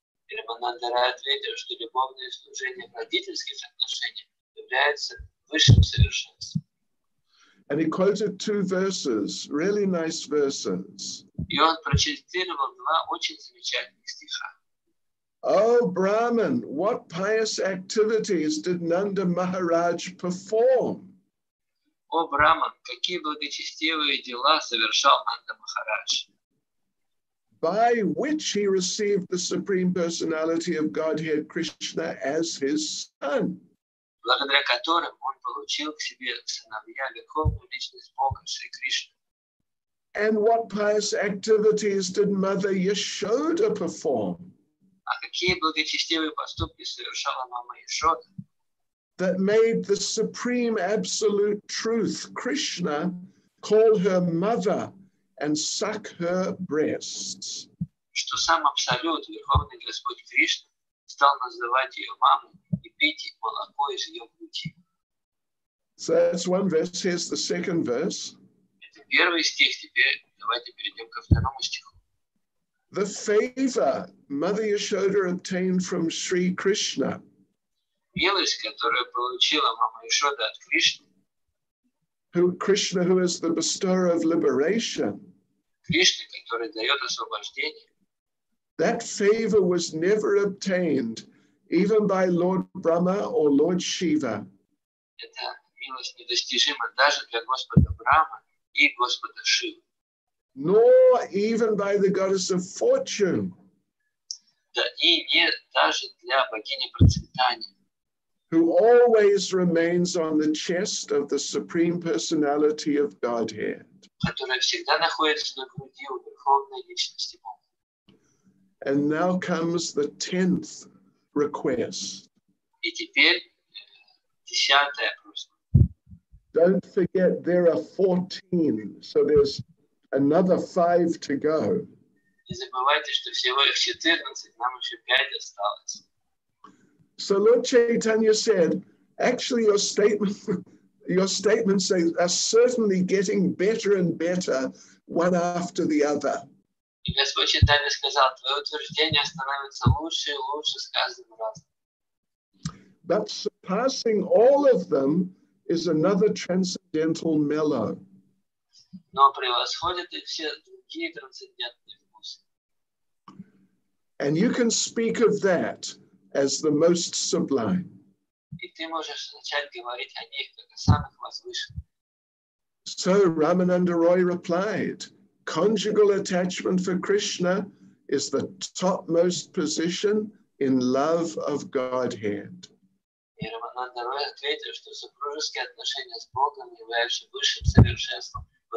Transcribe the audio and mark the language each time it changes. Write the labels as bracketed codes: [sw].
[ru] Рамананда Рой ответил, что любовное служение в родительских отношениях является высшим совершенством. [en] And he quoted two verses, really nice verses. [ru] И он прочитал два очень замечательных стиха. [en] Oh, Brahman, what pious activities did Nanda Maharaj perform? [ru] О, Брахман, какие благочестивые дела совершал Нанда Махарадж? [en] By which he received the Supreme Personality of Godhead Krishna as his son. [ru] Благодаря которым он получил к себе сыновья Верховную Личность Бога, Шри Кришна. [en] And what pious activities did Mother Yashoda perform? [ru] А какие благочестивые поступки совершала мама Яшода? [en] That made the supreme absolute truth, Krishna, call her mother and suck her breasts. [ru] Что сам абсолют, Верховный Господь Кришна, стал называть ее мамой и пить молоко из ее груди. [en] So that's one verse. Here's the second verse. [ru] Это первый стих. Теперь давайте перейдем ко второму стиху. [en] The favor Mother Yashoda obtained from Sri Krishna. [ru] Милость, которую получила мама Яшода от Кришны. [en] Krishna, who is the bestower of liberation. [ru] Кришна, который дает освобождение. [en] That favor was never obtained, even by Lord Brahma or Lord Shiva. [ru] Эта милость недостижима даже для Господа Брахма и Господа Шивы. [en] Nor even by the goddess of fortune. [ru] Да и не даже для богини процветания. [en] Who always remains on the chest of the Supreme Personality of Godhead. [ru] Которая всегда находится на груди у Верховной Личности Бога. [en] And now comes the tenth request. [ru] И теперь десятая просьба. [en] Don't forget there are 14, so there's another 5 to go. [ru] Не забывайте, что всего их 14, нам еще 5 осталось. [en] So Lord Chaitanya said, actually your statements are certainly getting better and better one after the other. [ru] И Господь Чайтанья сказал, твои утверждения становятся лучше и лучше с каждым разом. [en] But surpassing all of them is another transcendental mellow. [ru] Но превосходят и все другие трансцендентные вкусы. [en] And you can speak of that as the most sublime. [ru] И ты можешь начать говорить о них как о самых возвышенных. [en] So Рамананда Рой replied, conjugal attachment for Krishna is the topmost position in love of Godhead. [ru] И Рамананда Рой ответил, что супружеские отношения с Богом являются высшим совершенством.